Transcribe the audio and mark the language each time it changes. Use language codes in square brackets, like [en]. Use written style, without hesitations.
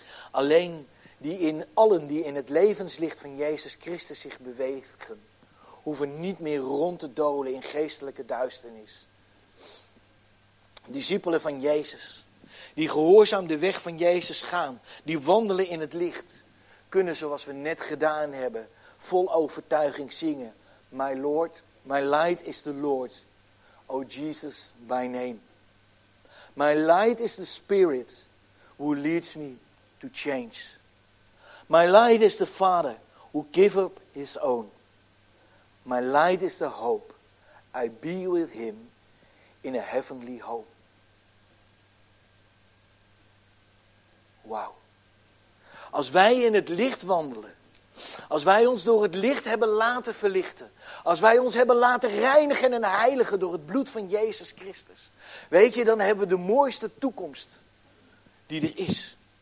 [nl] Alleen die in allen die in het levenslicht van Jezus Christus zich bewegen, hoeven niet meer rond te dolen in geestelijke duisternis. Discipelen van Jezus, die gehoorzaam de weg van Jezus gaan, die wandelen in het licht, kunnen zoals we net gedaan hebben, vol overtuiging zingen. [en] My Lord, my light is the Lord, O Jesus by name. My light is the Spirit who leads me to change. My light is the Father who gives up his own. My light is the hope. I be with him in a heavenly home. [nl] Wauw. Als wij in het licht wandelen. Als wij ons door het licht hebben laten verlichten. Als wij ons hebben laten reinigen en heiligen door het bloed van Jezus Christus. Weet je, dan hebben we de mooiste toekomst die er is.